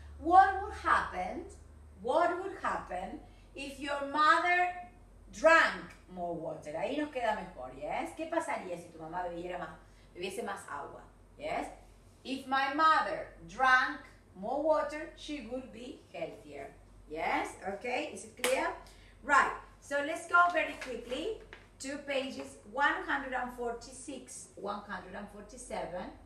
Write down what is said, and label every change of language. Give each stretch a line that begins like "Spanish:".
English: What would happen if your mother drank more water?
Spanish: Ahí nos queda mejor, yes? ¿Qué pasaría si tu mamá bebiese más agua?
English: Yes? If my mother drank more water, she would be healthier. Yes? Okay? Is it clear? Right. So let's go very quickly to pages 146, 147.